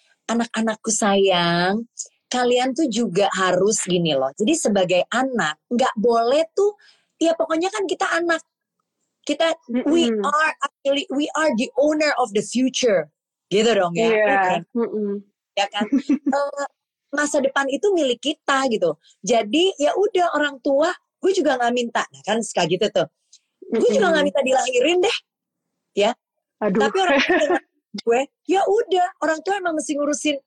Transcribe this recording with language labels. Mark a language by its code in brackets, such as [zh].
[id] Anak-anakku sayang, kalian tuh juga harus gini loh. Jadi sebagai anak, gak boleh tuh, ya pokoknya kan kita anak. Kita, [en] we are actually, we are the owner of the future. [id] Gitu dong ya. Ya kan? masa depan itu milik kita gitu. Jadi ya udah orang tua, gue juga gak minta, nah, kan suka gitu tuh. Gue juga gak minta dilahirin deh. Ya. Aduh. Tapi orang tua gue, ya udah, orang tua emang mesti ngurusin.